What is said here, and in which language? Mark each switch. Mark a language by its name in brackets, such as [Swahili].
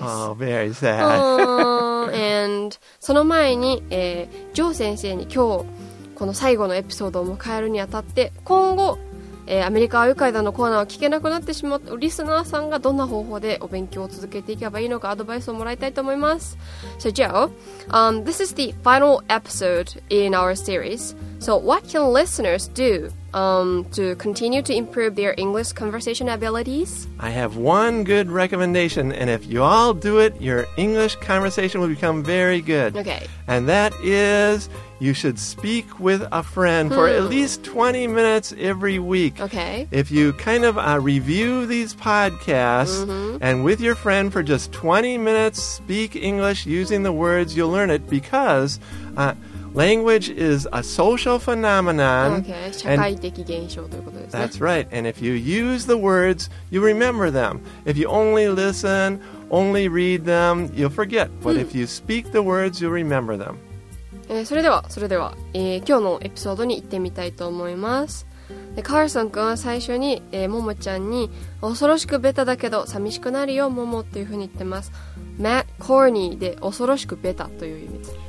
[English] Oh, very sad. [Japanese] And その前に、ジョー先生に今日この最後のエピソードを迎えるにあたって今後、アメリカ愉快だのコーナーを聞けなくなってしまうリスナーさんがどんな方法でお勉強を続けていけばいいのかアドバイスをもらいたいと思います。 [English] So Joe, this is the final episode in our series. So what can listeners do to continue to improve their English conversation abilities? I have one good recommendation, and if you all do it, your English conversation will become very good. Okay. And that is... You should speak with a friend for at least 20 minutes every week. Okay. If you kind of review these podcasts and with your friend for just 20 minutes, speak English using the words, you'll learn it because language is a social phenomenon. Okay. [Japanese] 社会的現象ということですね。 [English] That's right. And if you use the words, you remember them. If you only listen, only read them, you'll forget. But if you speak the words, you'll remember them. [Japanese] それでは、今日のエピソードに行ってみたいと思います。でカールソン君は最初に、ももちゃんに恐ろしくベタだけど寂しくなるよももっていう風に言ってます。 [English] Matt Corny [Japanese] で恐ろしくベタという意味です。